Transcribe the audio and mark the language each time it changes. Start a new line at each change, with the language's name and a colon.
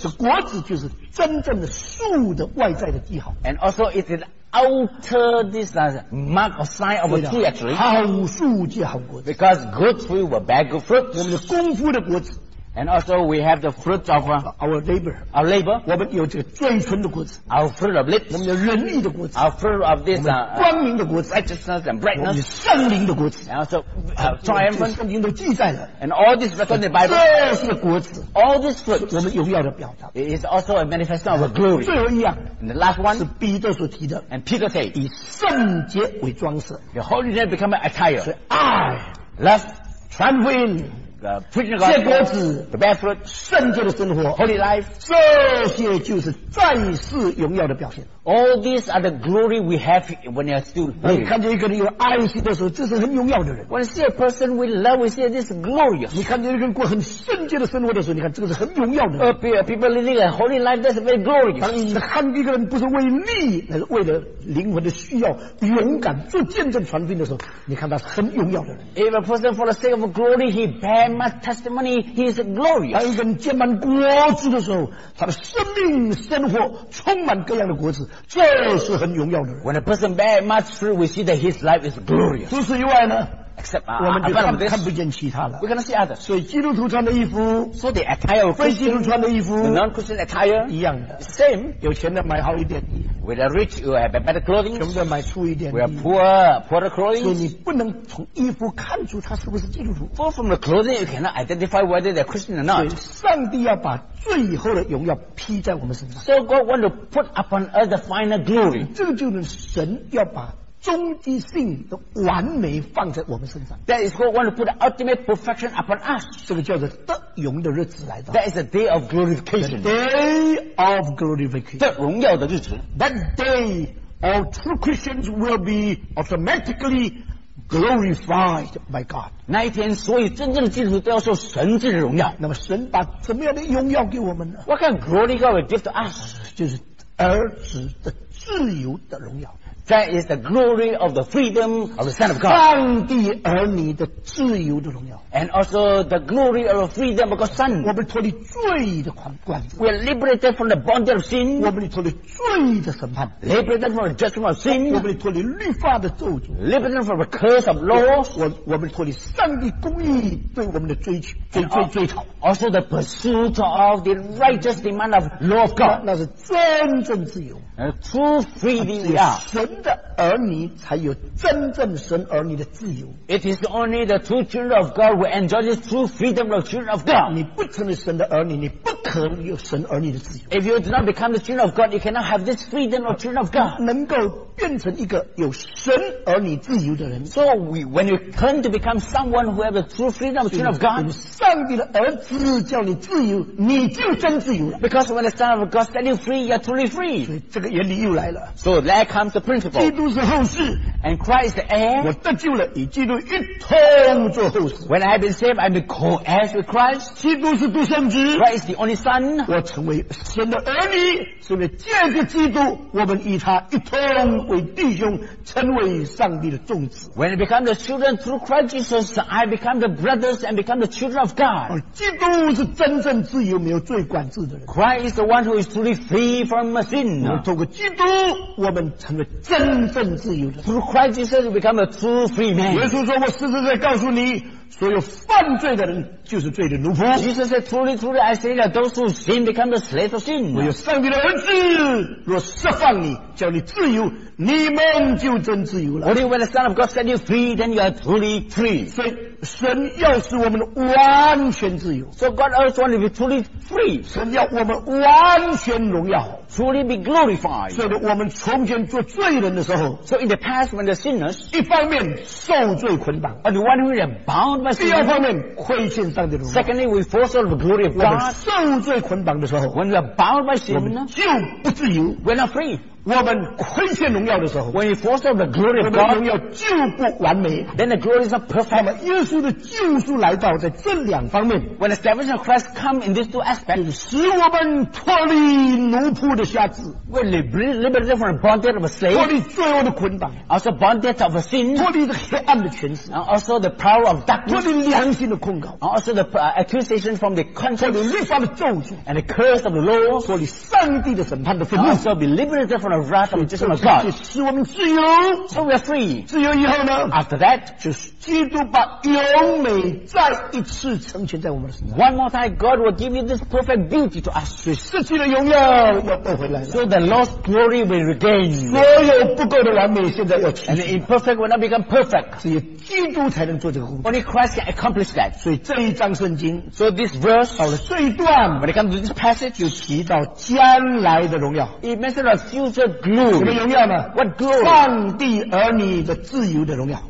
Chinese: 是果子就是真正的树的外在的记号。
English: And also, it is outer this mark or sign of a tree actually.
Chinese: 好树结好果子。
English: Because good fruit will bear good fruit.
Chinese: 我们的功夫的果子。
English: And also, we have the fruits of our labor.
Chinese: 我们有这个最纯的果子。
English: Our fruit of lips.
Chinese: 我们的仁义的果子。
English: Our fruit of this
Chinese: 光明的果子。
English: Righteousness and brightness.
Chinese: 我们圣灵的果子。
English: And also, triumphant.
Chinese: 圣经都记载了。
English: And all this recorded in the Bible.
Chinese: 这是果子。
English: All this fruit.
Chinese: 我们荣耀的表达。
English: It is also a manifestation of a glory.
Chinese: 最后一样。
English: And the last one.
Chinese: 是彼得所提的。
English: And Peter said.
Chinese: 以圣洁为装饰。
English: The holiness become an attire.
Chinese: 所以爱
English: love,
Chinese: 传福音结果子
English: the best fruit,
Chinese: 圣洁的生活
English: holy life,
Chinese: 这些就是在世荣耀的表现。
English: All these are the glory we have when you are still living.
Chinese: 你看见一个人有爱心的时候，这是很荣耀的人。
English: When you see a person with love, we see this glorious.
Chinese: 你看见一个人过很圣洁的生活的时候，你看这个是很荣耀的人。
English: People living a holy life, that's very glorious.
Chinese: 当你看一个人不是为利，而是为了灵魂的需要，勇敢做见证传福音的时候，你看他是很荣耀的人。
English: If a person for the sake of glory, he bear much testimony, he is glorious.
Chinese: 当一个人结满果子的时候，他的生命生活充满各样的果子。这是很荣耀的人。
English: When a person bears much fruit, we see that his life is glorious.
Chinese: 除此以外呢
English: ？Except
Chinese: 我们就看不见其他了。
English: We cannot see others.
Chinese: 所以基督徒穿的衣服
English: ，so the attire of
Chinese: 非基督徒穿的衣服
English: ，the non-Christian attire
Chinese: 一样的
English: ，same.
Chinese: 有钱的买好一点
English: ，with a rich you have a better clothing.
Chinese: 穷的买粗一点
English: ，with a poorer clothing.
Chinese: 所以你不能从衣服看出他是不是基督徒。
English: For from the clothing you cannot identify whether they're Christian or not.
Chinese: 所以上帝要把最后的荣耀披在我们身上。
English: So God wants to put upon us the final glory.
Chinese: 这个就是神要把终极性的完美放在我们身上。
English: That is God wants to put the ultimate perfection upon us.
Chinese: 这个叫做得荣的日子来到。
English: That is the day of glorification. The day of glorification.
Chinese: 得荣耀的日子。
English: That day all true Christians will be automatically glorified by God.
Chinese: 那一天，所以真正的基督徒都要受神之荣耀。那么，神把什么样的荣耀给我们呢
English: ？What kind of glory God will give to us?
Chinese: 就是儿子的自由的荣耀。
English: That is the glory of the freedom of the Son of God.
Chinese: 上帝儿女的自由的荣耀。
English: And also the glory of the freedom of God's Son.
Chinese: 我们脱离罪的管制。
English: We are liberated from the bondage of sin.
Chinese: 我们脱离罪的审判。
English: Liberated from the judgment of sin.
Chinese: 我们脱离律法的咒诅。
English: Liberated from the curse of law.
Chinese: 我们脱离上帝公义对我们的追讨。
English: Also the pursuit of the righteous demand of law of God.
Chinese: 那是真正自由。
English: True freedom, yeah.
Chinese: 神的儿女才有真正神儿女的自由。
English: It is only the true children of God who enjoy the true freedom of children of God.
Chinese: 你不成为神的儿女，你不可能有神儿女的自由。
English: If you do not become the children of God, you cannot have this freedom of children of God.
Chinese: 能够变成一个有神而你自由的人。
English: So we, when you turn to become someone who has the true freedom, the Son of God,
Chinese: 上帝的儿子叫你自由，你就真自由了。
English: Because when the Son of God set you free, you are truly free.
Chinese: 所以这个原理又来了。
English: So there comes the principle.
Chinese: 基督是后世。
English: And Christ the heir.
Chinese: 我得救了，与基督一同做后世。
English: When I've been saved, I'm co-heirs with Christ.
Chinese: 基督是独生子。
English: Christ the only Son.
Chinese: 我成为神的儿女，所以借着基督，我们与他一同。为弟兄成为上帝的众子。
English: When I become the children through Christ Jesus, I become the brothers and become the children of God.
Chinese: 而基督是真正自由、没有罪管制的人。
English: Christ is the one who is truly free from sin.
Chinese: 透过基督，我们成为真正自由的人。
English: Through Christ Jesus, we become a true free man.
Chinese: 耶稣说：“我实实在告诉你，所有犯罪的人就是罪的奴仆。”
English: Jesus said, "Truly, truly, I say that those who sin become the slaves of sin."
Chinese: 唯有上帝的儿子若释放你，叫你自由，你们就真自由了。
English: Only when the Son of God set you free, then you are truly free.
Chinese: 所以神要使我们完全自由。
English: So God also wants to be truly free.
Chinese: 神要我们完全荣耀。
English: Truly be glorified.
Chinese: 所以我们从前做罪人的时候
English: ，So in the past when the sinners,
Chinese: 一方面受罪捆绑
English: ，On the one hand bound by sin,
Chinese: 第二方面亏欠上帝的荣耀。
English: Secondly, we forfeit the glory of God.
Chinese: 我们受罪捆绑的时候
English: ，When we are bound by sin,
Chinese: 我们就不自由
English: ，We're not free.
Chinese: 我们亏欠荣耀的时候
English: When you forfeit the glory of God
Chinese: 我们荣耀就不完美
English: Then the glory is not perfect
Chinese: 耶稣的救赎来到在这两方面
English: When the salvation of Christ comes in these two aspects
Chinese: 使我们脱离奴仆的辖制
English: We liberate from the bondage of a slave
Chinese: 脱离罪恶的捆绑
English: Also bondage of a sin
Chinese: 脱离黑暗的权势
English: Also the power of darkness
Chinese: 脱离良心的控告
English: Also the accusation from the conscience
Chinese: 脱离律法的咒诅
English: And the curse of the law
Chinese: 脱离上帝的审判的愤怒
English: Also be liberated from of wrath of just of God.
Chinese: 使我们自由
English: so we are free.
Chinese: 自由以后呢
English: after that,
Chinese: 就是基督把永美再一次成全在我们的身上
English: One more time, God will give you this perfect beauty to us.
Chinese: 所以失去了永远要得回来了
English: so the lost glory will regain.
Chinese: 所有不够的完美现在要起来
English: and the imperfect will not become perfect.
Chinese: 只有基督才能做这个工作
English: Only Christ can accomplish that.
Chinese: 所以这一章圣经
English: so this verse,
Chinese: 到了这一段
English: when it comes to this passage,
Chinese: 就提到将来的荣耀
English: it mentions the future glory.
Chinese: 什么荣耀呢
English: What glory?
Chinese: 上帝儿女的自由的荣耀